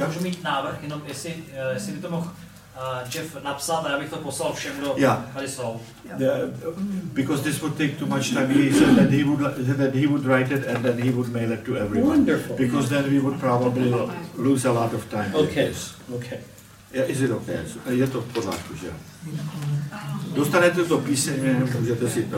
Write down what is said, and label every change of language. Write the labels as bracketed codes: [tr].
[cs] Můžu mít návrh, jenom jestli by to mohl Jeff napsat, a já bych to poslal všem, kdo tady jsou. [en] Because this would take too much time. He said that he would write it and then he would mail it to everyone. Wonderful. Because then we would probably lose a lot of time. Okay. Is it okay? [cs] Je to v pořádku, že? Dostanete to písemně, můžete si to.